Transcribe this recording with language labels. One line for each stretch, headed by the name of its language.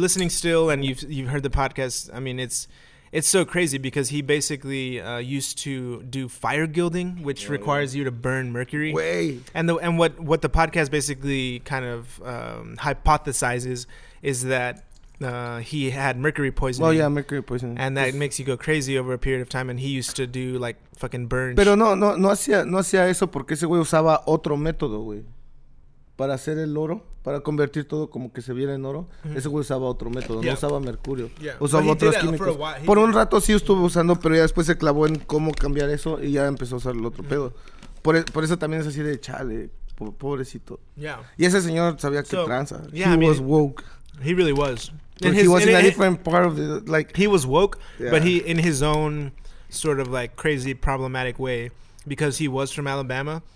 English: listening still and you've heard the podcast, I mean, it's so crazy because he basically used to do fire gilding, which requires you to burn mercury. And what the podcast basically kind of hypothesizes is that he had mercury poisoning. Well, yeah, mercury poisoning. And that makes you go crazy over a period of time. And he used to do, like, fucking burn.
Spanish: Pero no hacía eso porque ese güey usaba otro método, güey. Para hacer el oro, para convertir todo como que se viera en oro. Mm-hmm. Ese güey usaba otro método, no usaba mercurio.
English: Yeah.
Spanish: Usaba otros químicos. Por un rato sí estuvo usando, pero ya después se clavó en cómo cambiar eso y ya empezó a usar el otro pedo. Por eso también es así de chale, pobrecito.
English: Yeah.
Spanish: Y ese señor sabía que tranza.
English: Yeah, he was woke. He really was. He was woke, but he in his own sort of like crazy problematic way, because he was from Alabama.